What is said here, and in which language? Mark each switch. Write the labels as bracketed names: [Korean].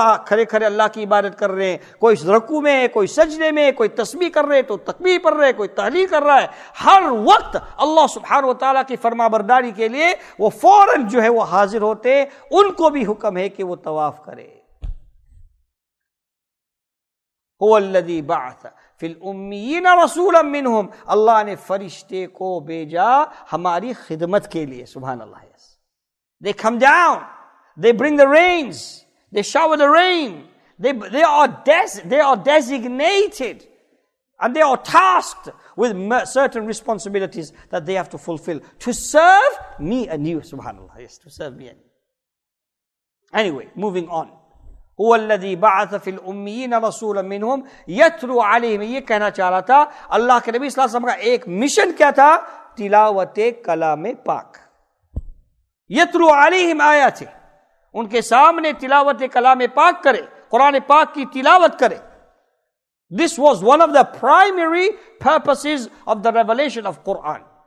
[Urdu] کھڑے کھڑے اللہ کی عبادت کر رہے ہیں کوئی رکوع میں ہے کوئی سجدے میں ہے کوئی تسبیح کر رہے ہیں تو تکبیر پڑھ رہے ہیں کوئی تحلیل کر رہا ہے ہر وقت اللہ سبحانہ و تعالیٰ کی فرما برداری کے لیے وہ فوراً جو ہے وہ حاضر ہوتے ہیں ان کو بھی حکم ہے کہ وہ طواف کرے [Arabic] هو الذی بعث فی الامیین رسولا منہم [Urdu] اللہ نے فرشتے کو بھیجا ہماری خدمت کے لیے سبحان اللہ yes. [English] They come down they bring the rains they shower the rain they are designated and they are tasked with certain responsibilities that they have to fulfill to serve me and you سبحان اللہ yes, to serve me and you. Anyway moving on [Arabic] هو الذي بعث في الأميين رسولا منهم يتلو عليهم [Urdu] یہ کہنا چاہ رہا تھا اللہ کے نبی صلی اللہ علیہ وسلم کا ایک مشن کیا تھا تلاوت کلام پاک [Arabic] يتلو عليهم آیات [Urdu] ان کے سامنے تلاوت کلام پاک کرے قرآن پاک کی تلاوت کرے [English] This was one of the primary purposes of the revelation of Quran.